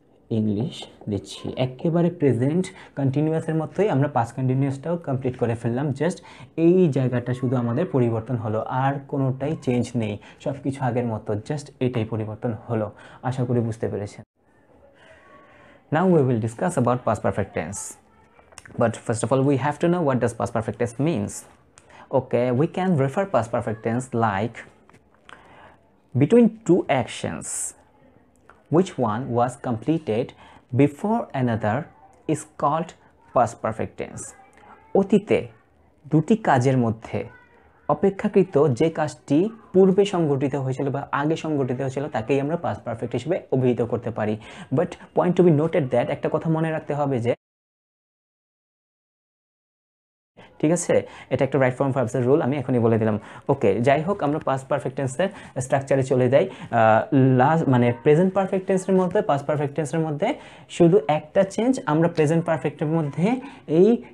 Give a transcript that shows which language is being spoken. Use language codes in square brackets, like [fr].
[bn] English দিচ্ছি একেবারে present কন্টিনিউয়াসের মতোই আমরা পাস্ট কন্টিনিউয়াসটাও কমপ্লিট করে ফেললাম জাস্ট এই জায়গাটা শুধু আমাদের পরিবর্তন হলো আর কোনোটাই চেঞ্জ নেই সব কিছু আগের মতো জাস্ট এটাই পরিবর্তন হলো আশা করি বুঝতে পেরেছেন [en] Now we will discuss about past perfect tense. But first of all, we have to know what does past perfect tense means. Okay, we can refer past perfect tense like between two actions, which one was completed before another is called past perfect tense. [bn] অতীতে দুটি কাজের মধ্যে অপেক্ষাকৃত যে কাজটি পূর্বে সংগঠিত হয়েছিল বা আগে সংগঠিত হয়েছিল তাকেই আমরা পাস্ট পারফেক্ট হিসেবে অভিহিত করতে পারি [en] but point to be noted that [bn] একটা কথা মনে রাখতে হবে যে ঠিক আছে এটা একটা রাইট ফর্ম ভার্বসের রুল আমি এখনই বলে দিলাম ওকে যাই হোক আমরা পাস্ট পারফেক্ট টেন্সের স্ট্রাকচারে চলে যাই লাস্ট মানে প্রেজেন্ট পারফেক্ট টেন্সের মধ্যে পাস্ট পারফেক্ট টেন্সের মধ্যে শুধু একটা চেঞ্জ আমরা প্রেজেন্ট পারফেক্টের মধ্যে এই